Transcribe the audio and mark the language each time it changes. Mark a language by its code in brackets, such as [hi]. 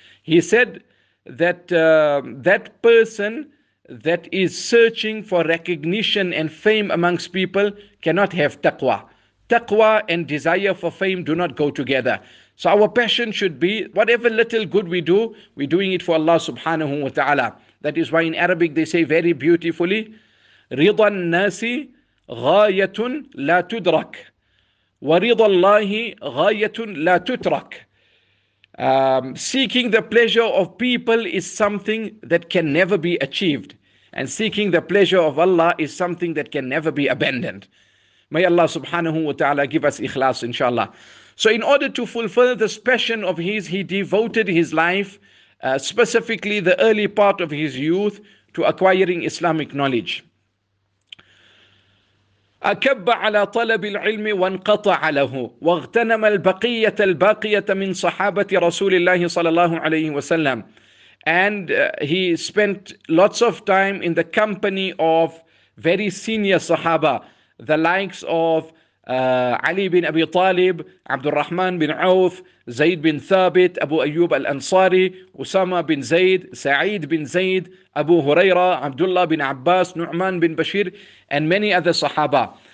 [en] He said that that person that is searching for recognition and fame amongst people cannot have taqwa. Taqwa and desire for fame do not go together. So our passion should be, whatever little good we do, we're doing it for Allah subhanahu wa ta'ala. That is why in Arabic they say very beautifully, [ar] رِضَ النَّاسِ غَايَةٌ لَا تُدْرَكْ وَرِضَ اللَّهِ غَايَةٌ لَا تُتْرَكْ. [en] Seeking the pleasure of people is something that can never be achieved. And seeking the pleasure of Allah is something that can never be abandoned. May Allah subhanahu wa ta'ala give us ikhlas inshallah. So in order to fulfill this passion of his, he devoted his life, specifically the early part of his youth, to acquiring Islamic knowledge. [ar] أكب على طلب العلم وانقطع له واغتنم البقية الباقية من صحابة رسول الله صلى الله عليه وسلم. [en] And he spent lots of time in the company of very senior sahaba, the likes of Ali bin Abi Talib, Abdul Rahman bin Auf, Zayd bin Thabit, Abu Ayyub al-Ansari, Usama bin Zayd, Sa'id bin Zayd, Abu Huraira, Abdullah bin Abbas, Nu'man bin Bashir, and many other sahaba.